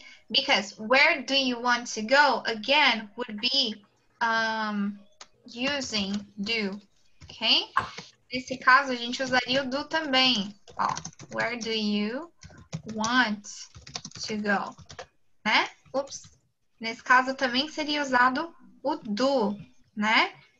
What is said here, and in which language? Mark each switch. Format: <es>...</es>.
<en>Because where do you want to go, again, would be using do, okay?</en> <pt>Nesse caso, a gente usaria o do também.</pt> <en>Oh, where do you want to go, né? Ups.</en> <pt>Nesse caso também seria usado o do, né?</pt>